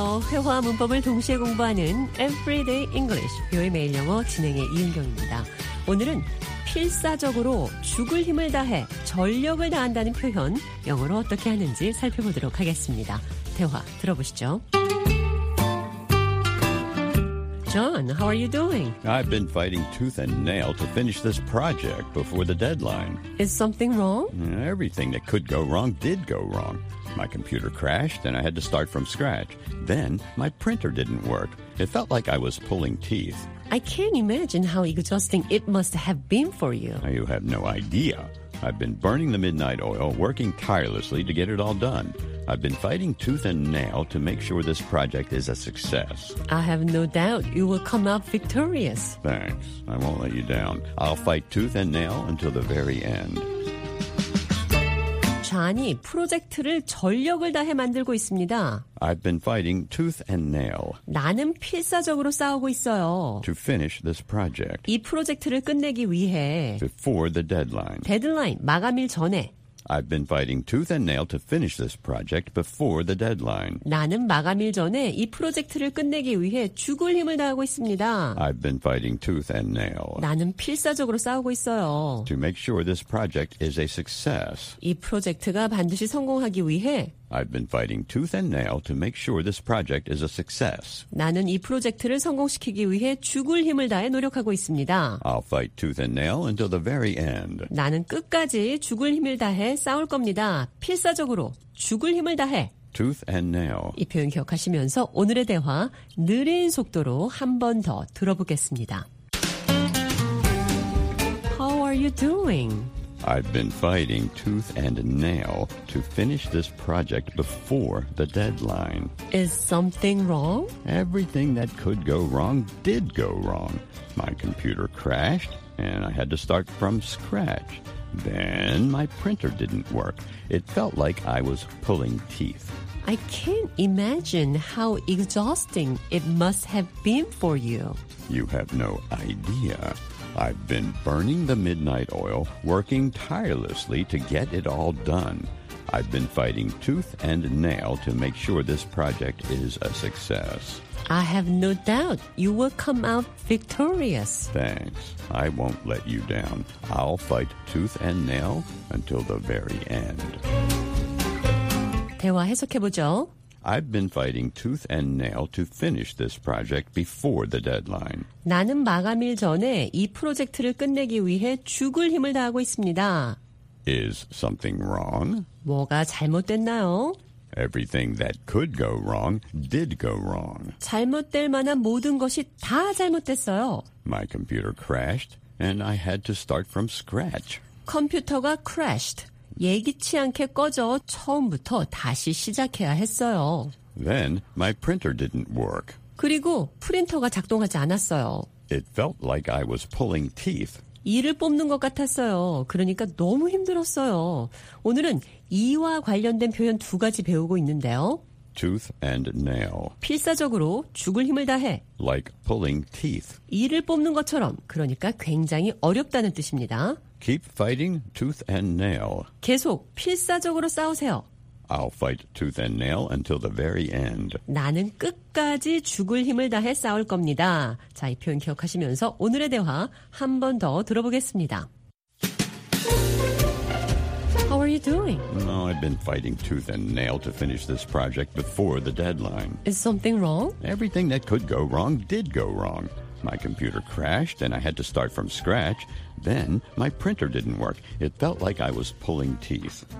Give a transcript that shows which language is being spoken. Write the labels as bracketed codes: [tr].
[ko] 회화 문법을 동시에 공부하는 Everyday English, 뷰의 매일 영어 진행의 이은경입니다. 오늘은 필사적으로 죽을 힘을 다해 전력을 다한다는 표현 영어로 어떻게 하는지 살펴보도록 하겠습니다. 대화 들어보시죠. [en] John, how are you doing? I've been fighting tooth and nail to finish this project before the deadline. Is something wrong? Everything that could go wrong did go wrong. My computer crashed and I had to start from scratch. Then my printer didn't work. It felt like I was pulling teeth. I can't imagine how exhausting it must have been for you. You have no idea. I've been burning the midnight oil, working tirelessly to get it all done. I've been fighting tooth and nail to make sure this project is a success. I have no doubt you will come out victorious. Thanks. I won't let you down. I'll fight tooth and nail until the very end. [ko] 존이 프로젝트를 전력을 다해 만들고 있습니다. [en] I've been fighting tooth and nail. [ko] 나는 필사적으로 싸우고 있어요. [en] To finish this project. [ko] 이 프로젝트를 끝내기 위해. [en] Before the deadline. [ko] 데드라인 마감일 전에. [en] I've been fighting tooth and nail to finish this project before the deadline. [ko] 나는 마감일 전에 이 프로젝트를 끝내기 위해 죽을 힘을 다하고 있습니다. [en] I've been fighting tooth and nail. [ko] 나는 필사적으로 싸우고 있어요. [en] To make sure this project is a success. [ko] 이 프로젝트가 반드시 성공하기 위해 [en] I've been fighting tooth and nail to make sure this project is a success. [ko] 나는 이 프로젝트를 성공시키기 위해 죽을 힘을 다해 노력하고 있습니다. [en] I'll fight tooth and nail until the very end. [ko] 나는 끝까지 죽을 힘을 다해 싸울 겁니다. 필사적으로 죽을 힘을 다해. [en] Tooth and nail. [ko] 이 표현 기억하시면서 오늘의 대화 느린 속도로 한 번 더 들어보겠습니다. [en] How are you doing? I've been fighting tooth and nail to finish this project before the deadline. Is something wrong? Everything that could go wrong did go wrong. My computer crashed, and I had to start from scratch. Then my printer didn't work. It felt like I was pulling teeth. I can't imagine how exhausting it must have been for you. You have no idea. I've been burning the midnight oil, working tirelessly to get it all done. I've been fighting tooth and nail to make sure this project is a success. I have no doubt you will come out victorious. Thanks. I won't let you down. I'll fight tooth and nail until the very end. [ko] 대화 해석해보죠. [en] I've been fighting tooth and nail to finish this project before the deadline. [ko] 나는 마감일 전에 이 프로젝트를 끝내기 위해 죽을 힘을 다하고 있습니다. [en] Is something wrong? [ko] 뭐가 잘못됐나요? [en] Everything that could go wrong did go wrong. [ko] 잘못될 만한 모든 것이 다 잘못됐어요. [en] My computer crashed and I had to start from scratch. [ko] 컴퓨터가 crashed. 예기치 않게 꺼져 처음부터 다시 시작해야 했어요. [en] Then my printer didn't work. [ko] 그리고 프린터가 작동하지 않았어요. [en] It felt like I was pulling teeth. [ko] 이를 뽑는 것 같았어요. 그러니까 너무 힘들었어요. 오늘은 이와 관련된 표현 두 가지 배우고 있는데요. [en] Tooth and nail. [ko] 필사적으로 죽을 힘을 다해. [en] Like pulling teeth. [ko] 이를 뽑는 것처럼 그러니까 굉장히 어렵다는 뜻입니다. [en] Keep fighting tooth and nail. [ko] 계속 필사적으로 싸우세요. [en] I'll fight tooth and nail until the very end. [ko] 나는 끝까지 죽을 힘을 다해 싸울 겁니다. 자, 이 표현 기억하시면서 오늘의 대화 한 번 더 들어보겠습니다. [en] How are you doing? No, I've been fighting tooth and nail to finish this project before the deadline. Is something wrong? Everything that could go wrong did go wrong. My computer crashed and I had to start from scratch. Then my printer didn't work. It felt like I was pulling teeth.